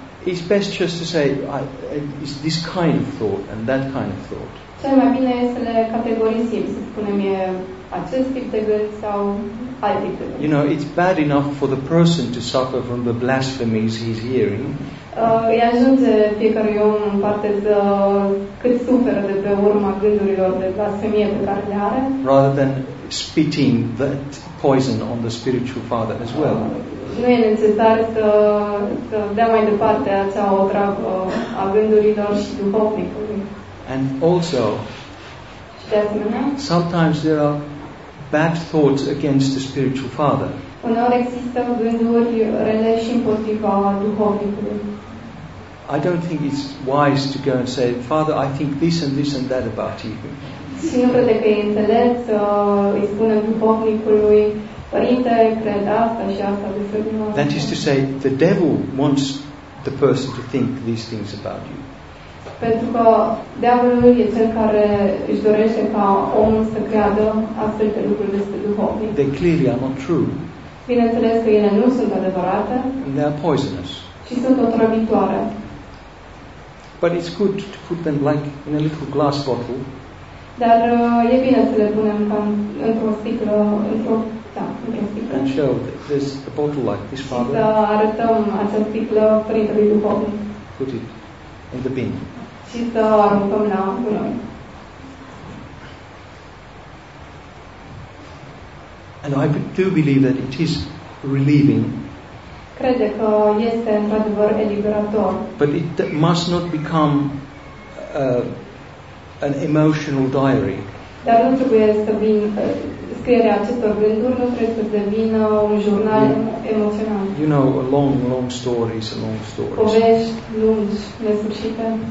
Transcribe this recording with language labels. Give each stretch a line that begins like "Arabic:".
English: it's best just to say it's this kind of thought and that kind of thought.
Romanian: Cel mai bine este să le categorisim, să spunem e acest tip de gând sau alt tip de gând.
English: You know, it's bad enough for the person to suffer from the blasphemies he's hearing.
Romanian: Îi ajunge fiecare om în parte să cât suferă de pe urma gândurilor de blasfemie pe care le are.
English: Rather than spitting that poison on the spiritual father as well.
Romanian: Nu e necesar să dea mai departe acea otravă a gândurilor și duhovnicului.
English: And also,
Romanian: de asemenea,
English: sometimes there are bad thoughts against the spiritual father.
Romanian: Uneori există gânduri rele și împotriva duhovnicului.
English: I don't think it's wise to go and say, Father, I think this and this and that about you.
Romanian: Și nu crede că e înțelept, îi spune duhovnicului, Părinte, cred asta și asta de fapt nu.
English: That is to say, the devil wants the person to think these things about you.
Romanian: Pentru că diavolul e cel care își dorește ca omul să creadă astfel de lucruri despre duhovnic.
English: They clearly are not true.
Romanian: Bineînțeles că ele nu sunt adevărate.
English: And they are poisonous.
Romanian: Și sunt otrăvitoare.
English: But it's good to put them like in a little glass bottle.
Romanian: Dar e bine să le punem cam într-o sticlă, într-o sticlă.
English: And show that there's a bottle like this, Father.
Romanian: Să arătăm acea sticlă Părintelui duhovnic.
English: Put it in the bin.
Romanian: Și să aruncăm la gunoi.
English: And I do believe that it is relieving.
Romanian: Crede că este într-adevăr eliberator.
English: But it must not become an emotional diary.
Romanian: Dar nu trebuie să vin scrierea acestor gânduri, nu trebuie să devină un jurnal emoțional.
English: You know, a long, long story is a long story.
Romanian: Povești lungi, nesfârșite.